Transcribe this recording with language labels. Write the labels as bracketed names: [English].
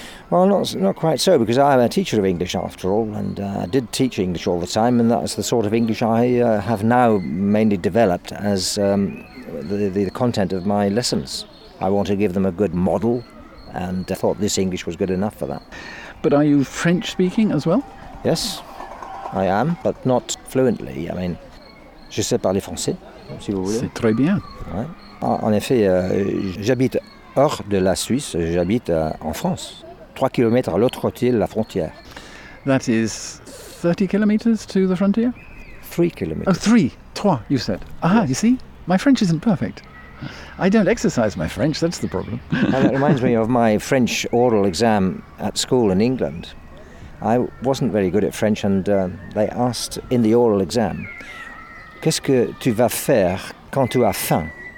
[English] Well, not quite so, because I'm a teacher of English, after all, and I did teach English all the time, and that's the sort of English I have now mainly developed as the content of my lessons. I want to give them a good model, and I thought this English was good enough for that. But are you French-speaking as well? Yes, I am, but not fluently. I mean, [French] je sais parler français, si vous voulez. C'est très bien. Ouais. En effet, j'habite hors de la Suisse, j'habite en France. 3 kilometers à l'autre côté de la frontière. [English] That is 30 kilometers to the frontier? 3 kilometers. Oh, trois, you said. Ah, yeah. You see? My French isn't perfect. I don't exercise my French, that's the problem. And that reminds me of my French oral exam at school in England. I wasn't very good at French, and they asked in the oral exam, [French] qu'est-ce que tu vas faire quand tu as faim?